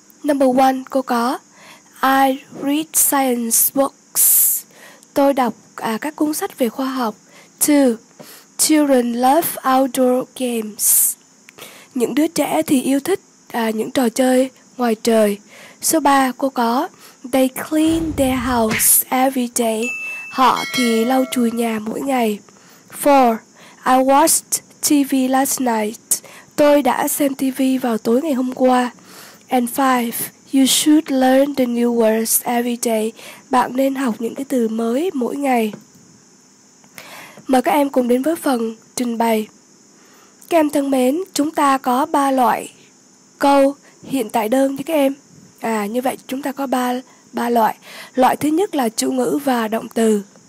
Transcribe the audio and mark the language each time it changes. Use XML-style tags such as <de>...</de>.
<en>Number one,</en> <vi>cô có</vi> <en>I read science books.</en> <vi>Tôi đọc các cuốn sách về khoa học.</vi> <en>Two, children love outdoor games.</en> <vi>Những đứa trẻ thì yêu thích những trò chơi ngoài trời. Số 3, cô có</vi> <en>They clean their house every day.</en> <vi>Họ thì lau chùi nhà mỗi ngày. 4.</vi> <en>I watched TV last night.</en> <vi>Tôi đã xem TV vào tối ngày hôm qua.</vi> <en>And 5. You should learn the new words every day.</en> <vi>Bạn nên học những cái từ mới mỗi ngày. Mời các em cùng đến với phần trình bày. Các em thân mến, chúng ta có 3 loại câu hiện tại đơn nha các em. Như vậy chúng ta có 3 loại. Loại thứ nhất là chủ ngữ và động từ.</vi>